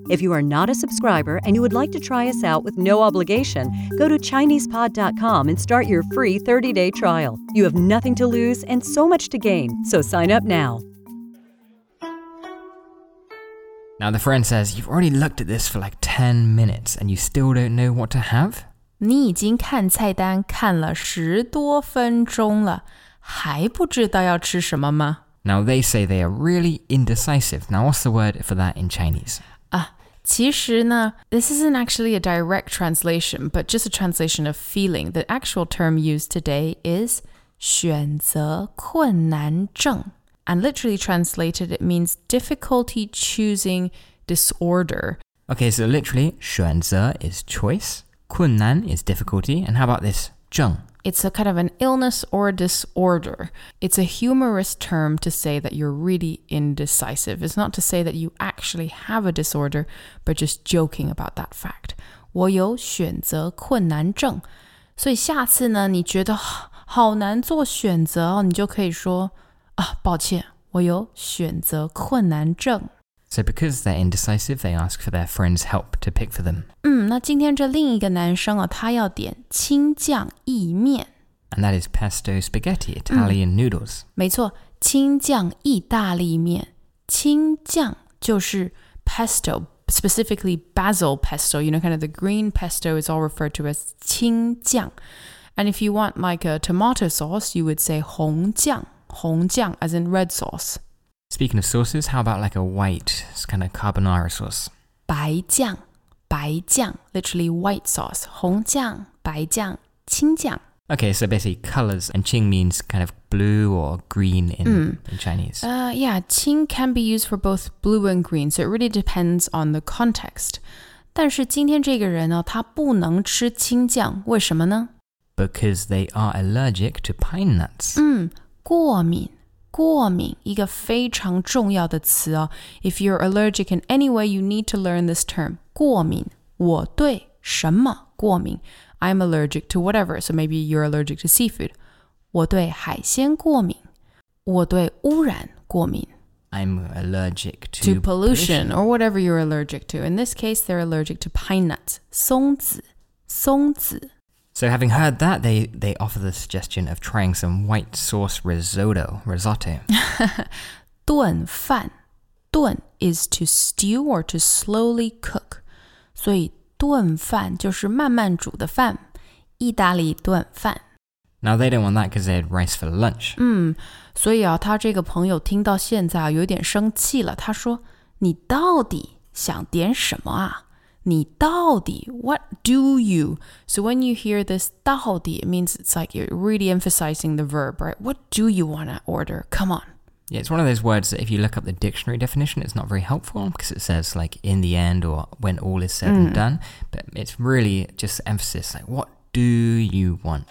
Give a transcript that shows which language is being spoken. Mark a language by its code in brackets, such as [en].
[en] If you are not a subscriber and you would like to try us out with no obligation, go to ChinesePod.com and start your free 30-day trial. You have nothing to lose and so much to gain, so sign up now. Now the friend says, you've already looked at this for like 10 minutes and you still don't know what to have? [zh] 你已经看菜单看了十多分钟了，还不知道要吃什么吗？ [en] Now they say they are really indecisive. Now what's the word for that in Chinese? [zh] 其实呢， [en] this isn't actually a direct translation, but just a translation of feeling. The actual term used today is 选择困难症。 And literally translated, it means difficulty choosing disorder. Okay, so literally, 选择 is choice, 困难 is difficulty, and how about this, 症? It's a kind of an illness or a disorder. It's a humorous term to say that you're really indecisive. It's not to say that you actually have a disorder, but just joking about that fact. [zh] 我有选择困难症。所以下次呢，你觉得好难做选择，你就可以说抱歉，我有选择困难症。 [en] So because they're indecisive, they ask for their friend's help to pick for them. [zh] 那今天这另一个男生他要点青酱意面。 [en] And that is pesto spaghetti, Italian noodles. [zh] 没错，青酱意大利面。青酱就是 pesto, [en] specifically basil pesto. You know, kind of the green pesto is all referred to as 青酱。 And if you want like a tomato sauce, you would say 红酱。红酱 as in red sauce. Speaking of sauces, how about like a white kind of carbonara sauce? 白酱，白酱 literally white sauce. [zh] 红酱，白酱，青酱。 [en] Okay, so basically colors and 青 means kind of blue or green in Chinese. Yeah, 青 can be used for both blue and green, so it really depends on the context. [zh] 但是今天这个人呢，他不能吃青酱，为什么呢？ [en] Because they are allergic to pine nuts. [zh] 过敏，过敏，一个非常重要的词哦。 [en] If you're allergic in any way, you need to learn this term. [zh] 过敏，我对什么过敏？ [en] I'm allergic to whatever, so maybe you're allergic to seafood. [zh] 我对海鲜过敏，我对污染过敏。 [en] I'm allergic to pollution, or whatever you're allergic to. In this case, they're allergic to pine nuts. [zh] 松子，松子。 [en] So having heard that, they offer the suggestion of trying some white sauce risotto. 炖饭，炖 is to stew or to slowly cook. [zh] 所以炖饭就是慢慢煮的饭，意大利炖饭。 [en] Now they didn't want that because they had rice for lunch. [zh] 所以啊，他这个朋友听到现在有点生气了，他说，你到底想点什么啊？你到底 [en] ,what do you? So when you hear this 到底, it means it's like you're really emphasizing the verb, right? What do you want to order? Come on. Yeah, it's one of those words that if you look up the dictionary definition, it's not very helpful because it says like in the end or when all is said and done. But it's really just emphasis, like what do you want?